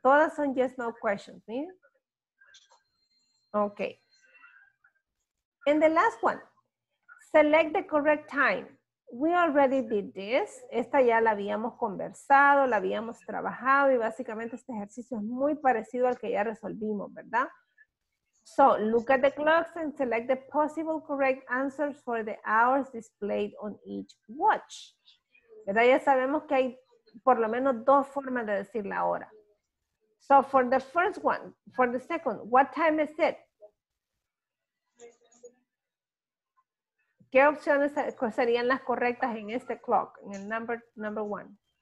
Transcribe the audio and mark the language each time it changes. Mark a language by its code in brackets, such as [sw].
[es] Todas son [en] yes, no questions. ¿Sí? Ok. And the last one. Select the correct time. We already did this. [es] Esta ya la habíamos conversado, la habíamos trabajado y básicamente este ejercicio es muy parecido al que ya resolvimos, ¿verdad? [en] So, look at the clocks and select the possible correct answers for the hours displayed on each watch. [es] ¿Verdad? Ya sabemos que hay por lo menos dos formas de decir la hora. [en] So, for the first one, for the second, what time is it? [es] ¿Qué opciones serían las correctas en este clock, en el number one?